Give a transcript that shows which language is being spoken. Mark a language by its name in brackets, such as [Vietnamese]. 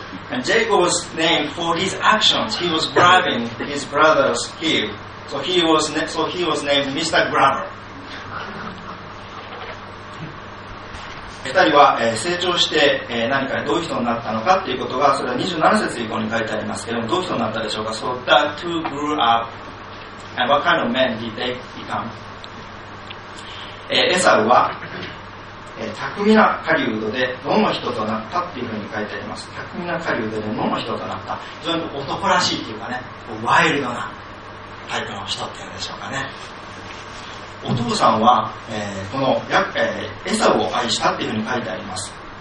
[English] And Jacob was named for his actions. He was bribing his brother's heel. So he was named Mr. Grabber. [Japanese] 二人は成長して何かどういう人になったのかということが、それは27節以降に書いてありますけれども、どういう人になったでしょうか。 [English] So the two grew up and what kind of men did they become? [Japanese] エサウは巧みな狩人で野の人となったっていうふうに書いてあります。巧みな狩人で野の人となった、非常に男らしいというかね、ワイルドなタイプの人っていうんでしょうかね。お父さんは、このエサウを愛したっていうふうに書いてあります。